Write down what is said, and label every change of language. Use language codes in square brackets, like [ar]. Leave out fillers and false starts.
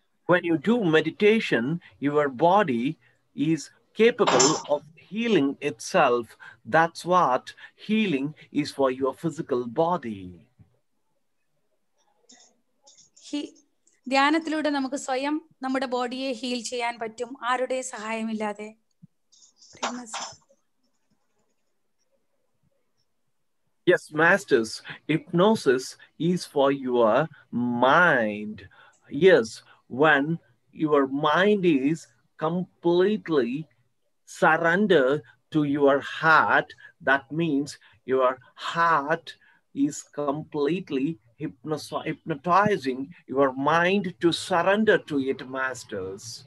[en] When you do meditation, your body is capable of healing itself. That's what healing is for your physical body. [ml] ധ്യാനത്തിലൂടെ നമുക്ക് സ്വയം നമ്മുടെ ബോഡിയെ heal ചെയ്യാൻ പറ്റും, ആരുടെ സഹായം ഇല്ലാതെ. [en] Yes, masters, hypnosis is for your mind. Yes, when your mind is completely surrender to your heart, that means your heart is completely hypnotizing your mind to surrender to it, masters.